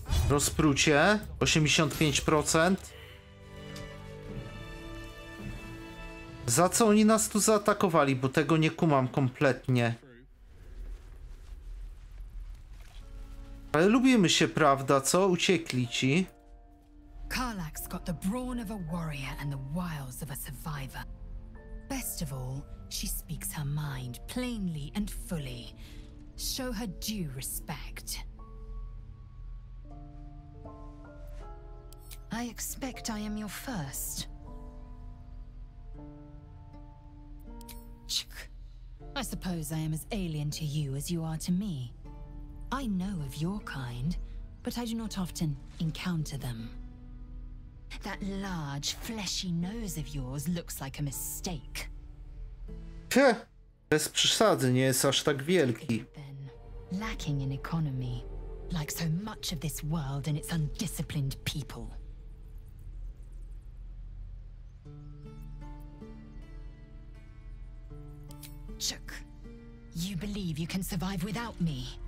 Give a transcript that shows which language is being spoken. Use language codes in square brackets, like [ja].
[pl] Rozprucie 85%. Za co oni nas tu zaatakowali, bo tego nie kumam kompletnie. Ale lubimy się, prawda, co? Uciekli ci. [en] Karlax got the brawn of a warrior and the wiles of a survivor. Best of all, she speaks her mind plainly and fully. Show her due respect. I expect I am your first. I suppose I am as alien to you as you are to me. I know of your kind, but I do not often encounter them. That large, fleshy nose of yours looks like a mistake. [pl] Bez przesady, nie jest aż tak wielki. [en] Lacking in economy, like so much of this world and its undisciplined people. Chuk, you believe you can survive without me?